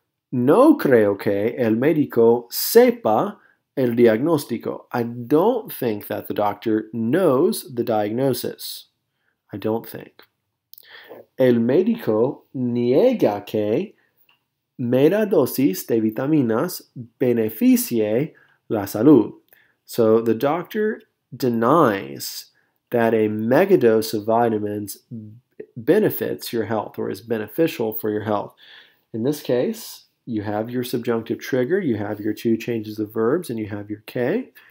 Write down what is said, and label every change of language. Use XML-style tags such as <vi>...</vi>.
<es>No creo que el médico sepa el diagnóstico.</es> <en>I don't think that the doctor knows the diagnosis. I don't think.</en> <es>El médico niega que mera dosis de vitaminas beneficie la salud.</es> <en>So the doctor denies that a megadose of vitamins benefits your health or is beneficial for your health. In this case, you have your subjunctive trigger, you have your two changes of verbs, and you have your que.</en>